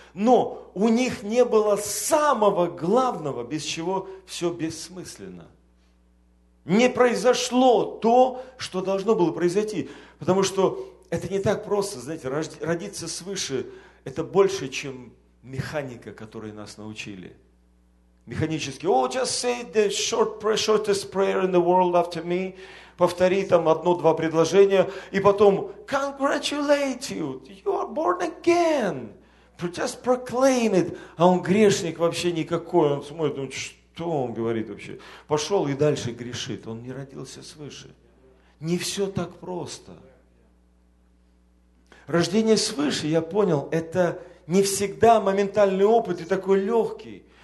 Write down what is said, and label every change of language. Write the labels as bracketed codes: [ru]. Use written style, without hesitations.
[ru] Но у них не было самого главного, без чего все бессмысленно. Не произошло то, что должно было произойти. Потому что это не так просто, знаете, родиться свыше, это больше, чем механика, которой нас научили. Механически, [en] just say the shortest prayer in the world after me. [ru] Повтори там одно-два предложения. И потом, [en] congratulate you, you are born again. Just proclaim it. [ru] А он грешник вообще никакой. Он смотрит, ну что он говорит вообще? Пошел и дальше грешит. Он не родился свыше. Не все так просто. Рождение свыше, я понял, это не всегда моментальный опыт и такой легкий.